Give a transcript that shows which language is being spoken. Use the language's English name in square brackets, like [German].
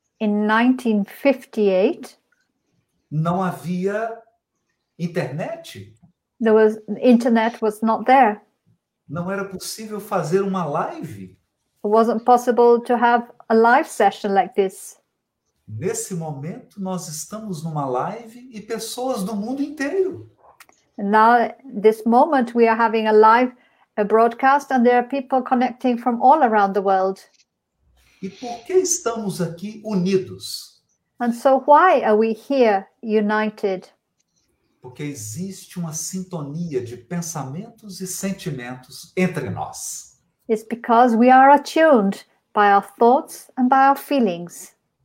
[English] in 1958, [Portuguese] não havia internet. [English] Internet was not there. [Portuguese] Não era possível fazer uma live. [English] It wasn't possible to have a live session like this. [Portuguese] Nesse momento, nós estamos numa live e pessoas do mundo inteiro. [English] Now, this moment, we are having a live broadcast and there are people connecting from all around the world. [Portuguese] E por que estamos aqui unidos? [English] And so why are we here united? [Portuguese] Porque existe uma sintonia de pensamentos e sentimentos entre nós. [English] It's because we are attuned by our thoughts and by our feelings.